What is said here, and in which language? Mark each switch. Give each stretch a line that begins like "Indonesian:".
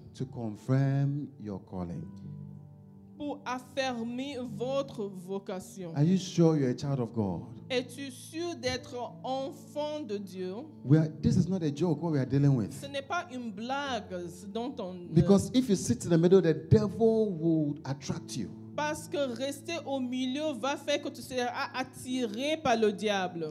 English: To confirm your calling.
French: Pour affirmer votre vocation.
English: Are you sure you're a child of God?
French: Es-tu sûr d'être enfant de Dieu?
English: This is not a joke what we are dealing with.
French: Ce n'est pas une blague dont on.
English: Because if you sit in the middle, the devil will attract you.
French: Parce que rester au milieu va faire que tu seras attiré par le diable.